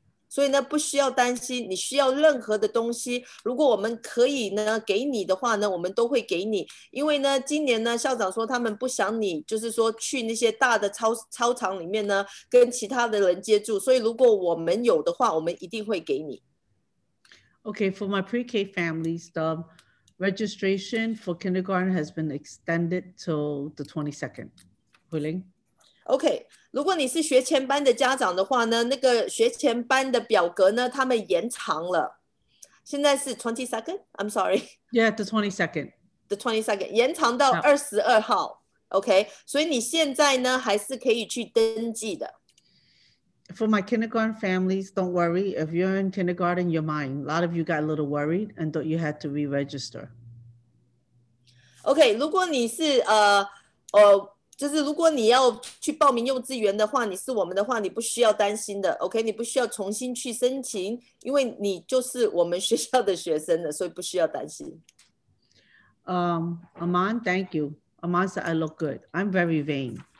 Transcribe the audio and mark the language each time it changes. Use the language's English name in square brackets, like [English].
[Chinese] 所以呢不需要担心，你需要任何的东西，如果我们可以呢给你的话呢，我们都会给你。因为呢今年呢校长说他们不想你就是说去那些大的操场里面呢跟其他的人接触，所以如果我们有的话，我们一定会给你。 [English] Okay, for my pre-K families, the registration for kindergarten has been extended till the 22nd. Huiling? Okay. [Chinese] 如果你是学前班的家长的话呢，那个学前班的表格呢，他们延长了，现在是 22nd? [English] I'm sorry. Yeah, the 22nd. The 22nd, [Chinese] 延长到22号。 OK, 所以你现在呢还是可以去登记的。 [English] For my kindergarten families, don't worry. If you're in kindergarten, you're mine. A lot of you got a little worried and thought you had to re-register. [Chinese] OK, 如果你是就是如果你要去报名幼稚园的话，你是我们的话，你不需要担心的。 OK, 你不需要重新去申请，因为你就是我们学校的学生的，所以不需要担心。 [English] Aman, thank you. Aman said I look good. I'm very vain.